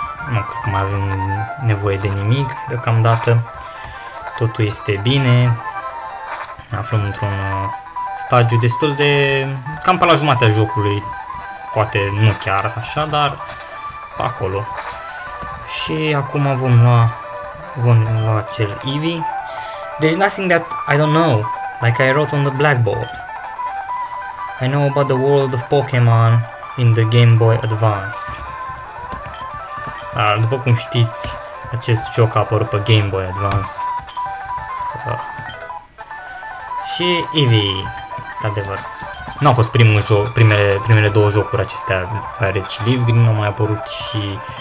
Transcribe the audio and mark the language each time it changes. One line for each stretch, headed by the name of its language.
Romanian: Nu cred că mai avem nevoie de nimic deocamdată. Totul este bine. Ne aflăm într-un stadiu destul de... cam pe la jumatea jocului. Poate nu chiar așa, dar pe acolo. Și acum vom lua acel Eevee.
English: There's nothing that I don't know, like I wrote on the blackboard. I know about the world of Pokémon in the Game Boy Advance.
Romanian: Dar după cum știți, acest joc a apărut pe Game Boy Advance. Și Eevee, într-adevăr, nu a fost primul joc, primele două jocuri acestea, Fire Red și Leaf Green, nu au mai apărut și...